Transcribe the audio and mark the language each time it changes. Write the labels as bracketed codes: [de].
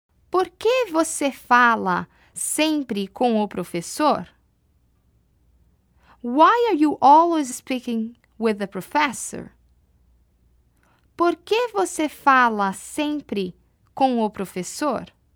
[pt] Por que você fala sempre com o professor? [en] Why are you always speaking with the professor? [pt] Por que você fala sempre com o professor?